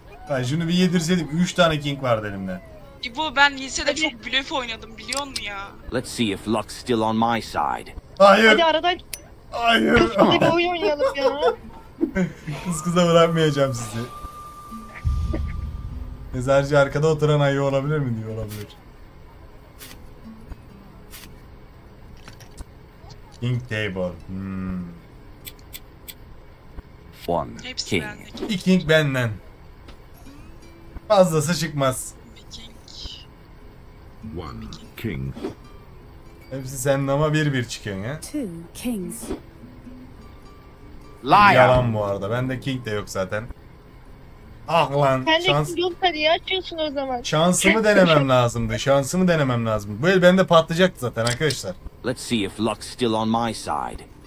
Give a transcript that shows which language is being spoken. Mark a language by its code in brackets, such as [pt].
[tr] Ben şunu bir yedirseydim 3 tane king vardı elimde. İbo ben lisede çok blöf oynadım biliyor musun ya? [en] Let's see if luck's still on my side. [tr] Hayır. Hadi arada. Hayır. Kız kıza bir oyun oynayalım ya. Kız kıza bırakmayacağım sizi. Mezarcı arkada oturan ayı olabilir mi diyor olabilir. [en] King table. One king. [tr] Bir king benden. Fazlası çıkmaz. [en] One king. [tr] Hepsi senin ama bir bir çıkıyorsun ya. [en] Two kings. Lion. [tr] Yalan bu arada. Bende king de yok zaten. Ah lan. Sen şans... de yoksa niye açıyorsun o zaman? Şansımı denemem lazımdı. Şansımı denemem lazım. Bu el bende patlayacaktı zaten arkadaşlar. [en] Let's see if luck's still on my side.